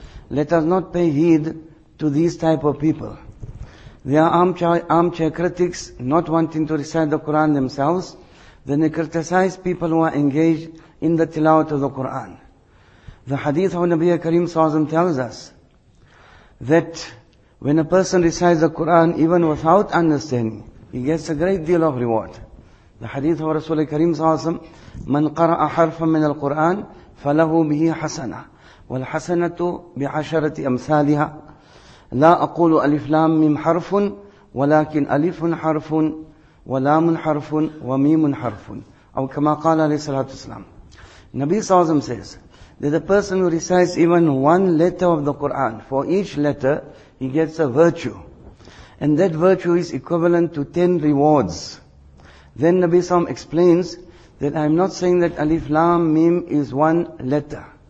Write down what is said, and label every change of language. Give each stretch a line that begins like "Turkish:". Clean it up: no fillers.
English: Let us not pay heed to these type of people. They are armchair critics, not wanting to recite the Quran themselves. Then they criticize people who are engaged in the tilawat of the Quran. The hadith of Nabi Karim Sawasam tells us that when a person recites the Quran even without understanding, he gets a great deal of reward. The hadith of Rasul Karim Sawasam,
Arabic: من قرأ حرفا من القرآن فله به حسنة والحسنة بعشرة أمثالها لا أقول ألف لام ميم حرف ولكن ألف حرف ولام حرف وميم حرف أو كما قال عليه الصلاة والسلام.
English: Nabi صلى الله عليه وسلم says that the person who recites even one letter of the Quran, for each letter he gets a virtue, and that virtue is equivalent to 10 rewards. Then Nabi صلى الله عليه وسلم explains that I am not saying that Alif Lam Mim is one letter.